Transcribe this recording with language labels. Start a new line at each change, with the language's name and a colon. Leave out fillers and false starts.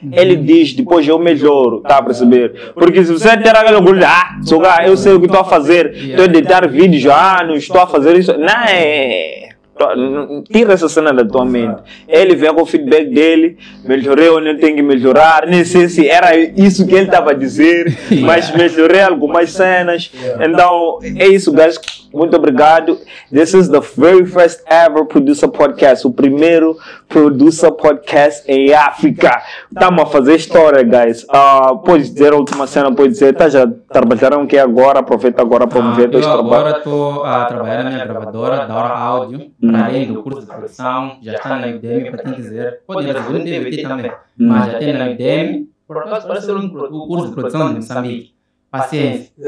Portuguese: Ele diz, depois eu melhoro, tá a perceber? Porque se você ter aquele orgulho, ah, suga, eu sei o que estou a fazer, estou a editar vídeos, ah, não estou a fazer isso, não, tira essa cena da tua mente. Ele vem com o feedback dele, melhorei ou não tenho que melhorar, nem sei se era isso que ele estava a dizer, mas melhorei algumas cenas. Então, é isso, guys, muito obrigado.
English: This is the very first ever producer podcast,
Portuguese: o primeiro producer podcast em África. Estamos a fazer história, guys. Pode dizer a última cena, pode dizer, tá, já trabalharam que agora, aproveita agora para me ver dois trabalhos. Agora estou a trabalhar na minha gravadora, Daura Audio, além do curso de produção, já está na IDM, para quem quiser, pode ir no DVD também, mas já tem na IDM, por acaso parece um curso de produção de Moçambique. Paciência.